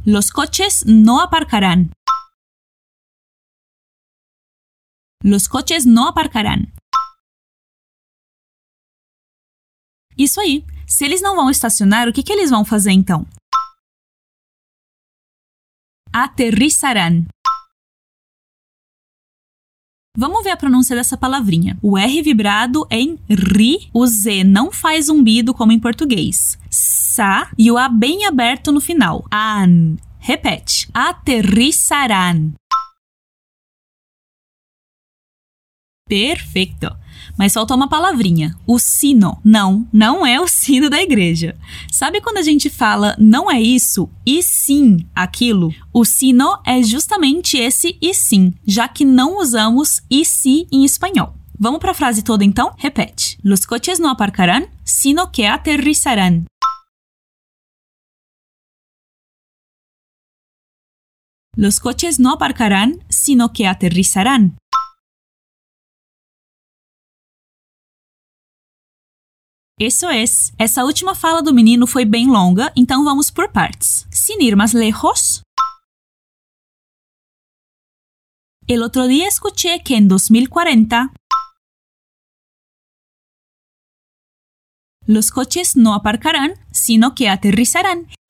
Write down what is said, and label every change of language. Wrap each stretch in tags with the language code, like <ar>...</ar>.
<es>Los coches no aparcarán. Los coches no aparcarán.</es> <pt>Isso aí. Se eles não vão estacionar, o que, que eles vão fazer então?</pt> <es>Aterrizarán.</es> <pt>Vamos ver a pronúncia dessa palavrinha. O R vibrado em ri, o Z não faz zumbido como em português. Sa e o A bem aberto no final. An. Repete. Aterrizarán. Perfeito. Mas faltou uma palavrinha. O sino. Não, não é o sino da igreja. Sabe quando a gente fala não é isso e sim aquilo? O sino é justamente esse e sim, já que não usamos e se em espanhol. Vamos para a frase toda então? Repete.</pt> <es>Los coches no aparcarán, sino que aterrizarán. Los coches no aparcarán, sino que aterrizarán.</es> <pt>Isso é. Essa última fala do menino foi bem longa, então vamos por partes.</pt> <es>Sin ir más lejos. El otro día escuché que en 2040 los coches no aparcarán, sino que aterrizarán.</es>